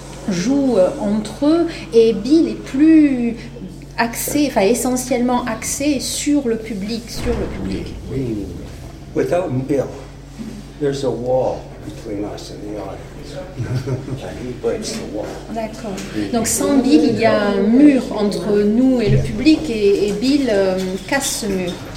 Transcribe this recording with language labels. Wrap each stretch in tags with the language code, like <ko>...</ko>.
<fr>jouent entre eux, et Bill est plus axé, enfin essentiellement axé sur le public, sur le public.</fr> <en>Without Bill, there's a wall between us and the audience. And he breaks the wall.</en> <fr>D'accord. Donc sans Bill, il y a un mur entre nous et le public, et Bill casse ce mur.</fr>